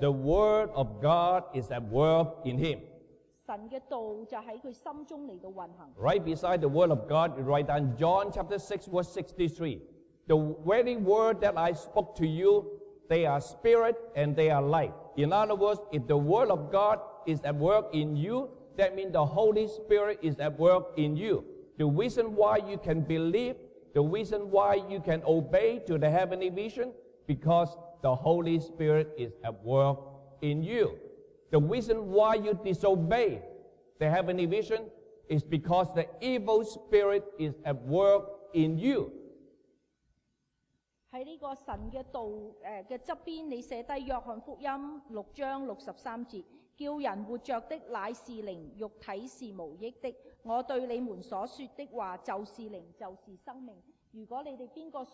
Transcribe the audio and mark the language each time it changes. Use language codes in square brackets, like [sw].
[en] the word of God is at work in him. [zh] 神的道就在他心中来到运行。 [en] Right beside the word of God, you write down John chapter 6, verse 63. The very word that I spoke to you, they are spirit and they are life. In other words, if the word of God is at work in you, that means the Holy Spirit is at work in you. The reason why you can believe, the reason why you can obey to the heavenly vision, because the Holy Spirit is at work in you. The reason why you disobey the heavenly vision is because the evil spirit is at work in you. [zh] 在这个神的道的旁边，你写下约翰福音6章63节， 叫人活着的乃是灵，肉体是无益的。我对你们所说的话就是灵，就是生命。